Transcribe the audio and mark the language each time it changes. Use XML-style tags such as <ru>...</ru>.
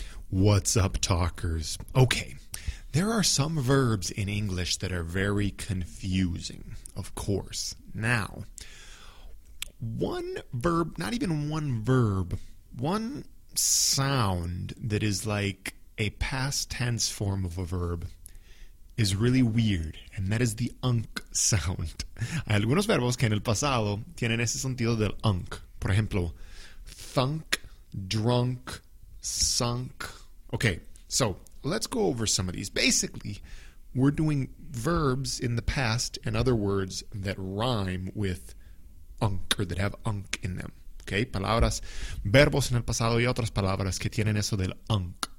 <en>What's up, talkers? Okay, there are some verbs in English that are very confusing, of course. Now, one sound that is like a past tense form of a verb is really weird, and that is the unk sound.</en> <es>Hay algunos verbos que en el pasado tienen ese sentido del unk. Por ejemplo, thunk, drunk, sunk.</es> <en>Okay, so let's go over some of these. Basically, we're doing verbs in the past, in other words, that rhyme with unk or that have unk in them.</en> <es>Okay, palabras, verbos en el pasado y otras palabras que tienen eso del unk.</es>